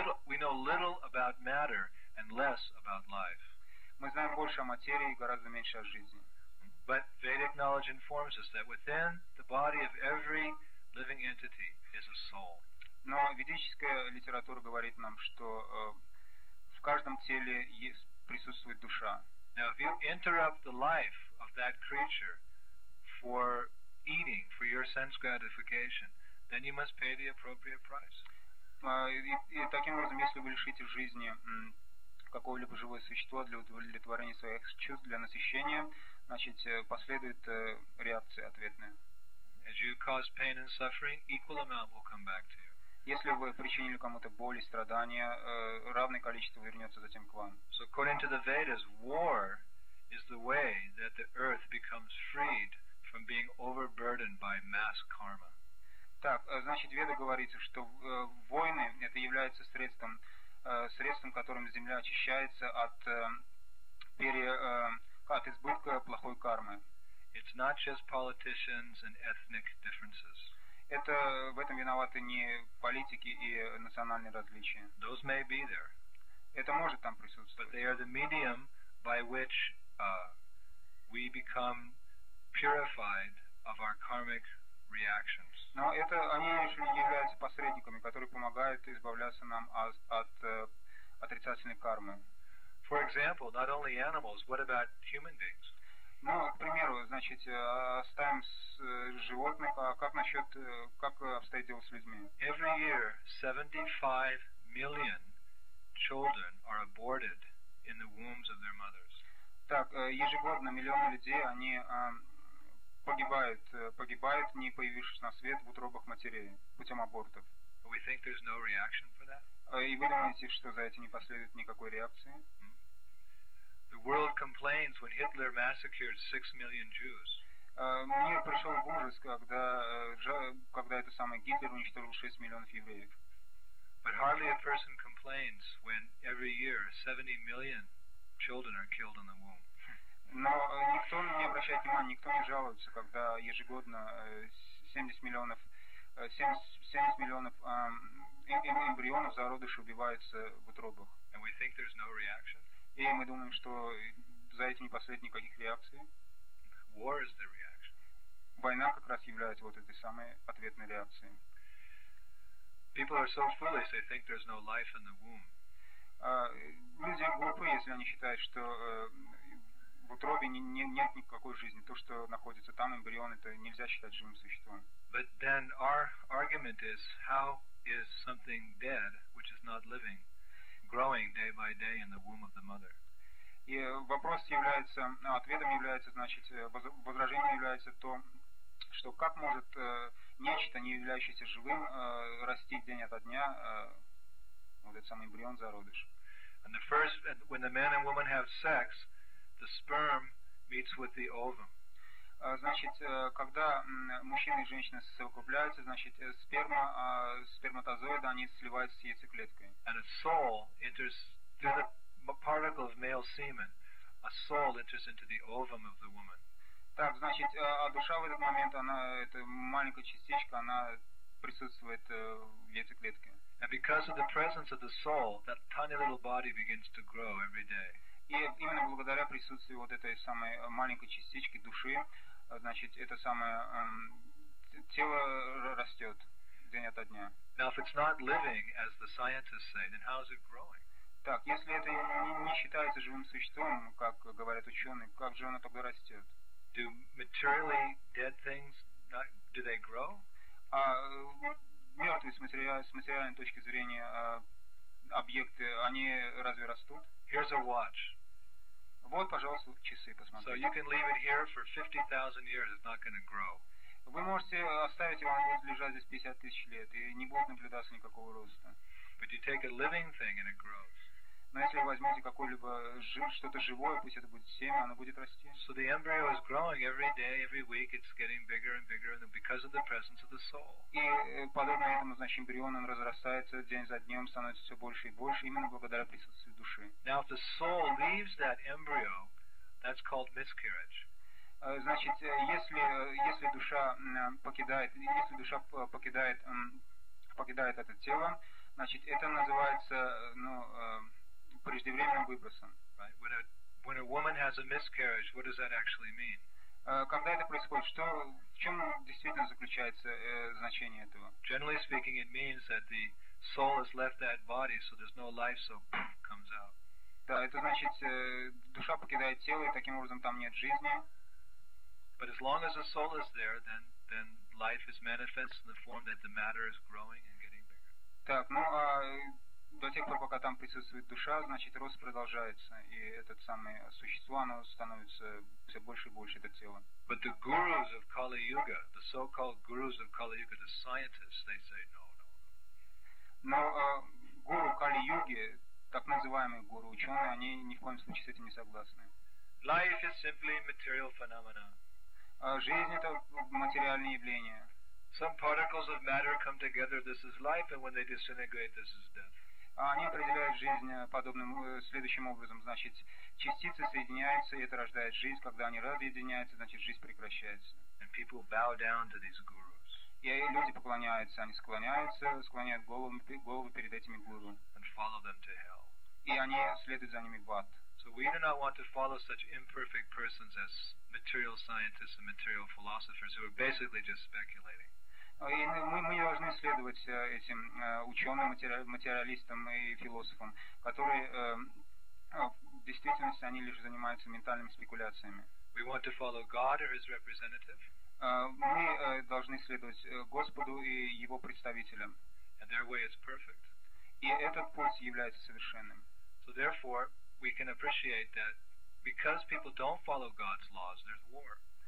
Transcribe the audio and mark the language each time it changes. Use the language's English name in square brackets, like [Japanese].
[English] We know little about matter and less about life. [Russian] Мы знаем больше о материи и гораздо меньше о жизни. [English] But Vedic knowledge informs us that within the body of every living entity is a soul. [Russian] Но ведическая литература говорит нам, что в каждом теле присутствует душа. [English] Now, if you interrupt the life of that creature for eating, for your sense gratification, then you must pay the appropriate price. [Russian] И таким образом, если вы лишите жизни какого-либо живое существо для удовлетворения своих чувств, для насыщения, значит, последует реакция ответная. [English] As you cause pain and suffering, equal amount will come back to you. [Russian] Если вы причинили кому-то боль и страдания, равное количество вернется затем к вам. [English] So according to the Vedas, war is the way that the earth becomes freed from being overburdened by mass karma. [Russian] Так, значит, Веда говорится, что войны это является средством, которым земля очищается от избытка плохой кармы. [English] It's not just politicians and ethnic differences. [Russian] Это в этом виноваты не политики и национальные различия. [English] Those may be there. [Russian] Это может там присутствовать. [English] But they are the medium by which we become purified of our karmic reactions. [Russian] Но это они являются посредниками, которые помогают избавляться нам от отрицательной кармы. [English] For example, not only animals, what about human beings? [Russian] Ну, к примеру, значит, оставим животных, а как обстоит дело с людьми? [English] Every year, 75 million children are aborted in the wombs of their mothers. [Russian] Так, ежегодно миллионы людей, они погибают, не появившись на свет в утробах матерей путем абортов. [English] We think there's no reaction for that? [Russian] И вы думаете, что за это не последует никакой реакции? [English] The world complains when Hitler massacred 6 million Jews. [Russian] Мир пришел в ужас, когда этот самый Гитлер уничтожил 6 миллионов евреев. [English] But hardly a person complains when every year 70 million children are killed in the womb. [Russian] Но никто не обращает внимания, никто не жалуется, когда ежегодно 70 миллионов эмбрионов зародыша убивается в утробах. [English] And we think there's no reaction. [Russian] И мы думаем, что за этим не последует никаких реакций. [English] War is the reaction. [Russian] Война как раз является вот этой самой ответной реакцией. [English] People are so foolish, they think there's no life in the womb. [Russian] Люди глупы, если они считают, что в утробе нет никакой жизни. То, что находится там, эмбрион, это нельзя считать живым существом. [English] But then our argument is, how is something dead, which is not living, growing day by day in the womb of the mother? [Russian] И вопрос является, ответом является, значит, возражение является то, что как может нечто, не являющееся живым, расти день ото дня, вот этот самый эмбрион, зародыш. [English] And the first, when the man and woman have sex, the sperm meets with the ovum. [Russian] Значит, когда мужчина и женщина совокупляются, значит, сперматозоиды, они сливаются с яйцеклеткой. [English] And a soul enters through the particle of male semen. A soul enters into the ovum of the woman. [Russian] Так, значит, а душа в этот момент, она, эта маленькая частичка, она присутствует в яйцеклетке. [English] And because of the presence of the soul, that tiny little body begins to grow every day. [Russian] И именно благодаря присутствию вот этой самой маленькой частички души, значит, это самое тело растет день ото дня. [English] Now, if it's not living, as the scientists say, then how is it growing? [Russian] Так, если это не считается живым существом, как говорят ученые, как же оно тогда растет? [English] Do materially dead things not, do they grow? [Russian] А мертвые с материальной точки зрения объекты, они разве растут? [English] Here's a watch. [Russian] Вот, пожалуйста, часы, посмотрите. [English] So you can leave it here for 50,000 years, it's not going to grow. [Russian] Вы можете оставить его, он будет лежать здесь 50 тысяч лет, и не будет наблюдаться никакого роста. [English] But you take a living thing and it grows. [Russian] Но если вы возьмете какое-либо что-то живое, пусть это будет семя, оно будет расти. [English] So the embryo is growing every day, every week, it's getting bigger and bigger because of the presence of the soul. [Russian] И подобно этому, значит, эмбрион, он разрастается день за днем, становится все больше и больше, именно благодаря присутствию души. [English] Now if the soul leaves that embryo, that's called miscarriage. [Russian] Значит, если душа покидает это тело, значит, это называется, преждевременным выбросом. [English] Right. When a woman has a miscarriage, what does that actually mean? [Russian] Когда это происходит, в чем действительно заключается значение этого? [English] Generally speaking, it means that the soul has left that body, so there's no life, so comes out. [Russian] Да, это значит, душа покидает тело, и таким образом там нет жизни. [English] But as long as the soul is there, then life is manifest in the form that the matter is growing and getting bigger. [Russian] Так, до тех пор, пока там присутствует душа, значит, рост продолжается, и этот самое существо, оно становится все больше и больше, это тело. [English] But the gurus of Kali Yuga, the so-called gurus of Kali Yuga, the scientists, they say no. [Russian] Но гуру Кали Юги, так называемые гуру ученые, они ни в коем случае с этим не согласны. [English] Life is simply material phenomena. [Russian] Жизнь — это материальное явление. [English] Some particles of matter come together. This is life, and when they disintegrate, this is death. [Russian] Они определяют жизнь подобным следующим образом. Значит, частицы соединяются, и это рождает жизнь. Когда они разъединяются, значит, жизнь прекращается. [English] And people bow down to these gurus. [Russian] И люди поклоняются, они склоняют головы перед этими гуру. [English] And follow them to hell. [Russian] И они следуют за ними в ад. [English] So we do not want to follow such imperfect persons as material scientists and material philosophers who are basically just speculating. [Russian] И мы не должны следовать этим ученым, материалистам и философам, которые в действительности они лишь занимаются ментальными спекуляциями. [English] We want to follow God or His representative. [Russian] Мы должны следовать Господу и Его представителям. [English] And their way is perfect. [Russian] И этот путь является совершенным. [English] So therefore, we can appreciate that because people don't follow God's laws, there's war.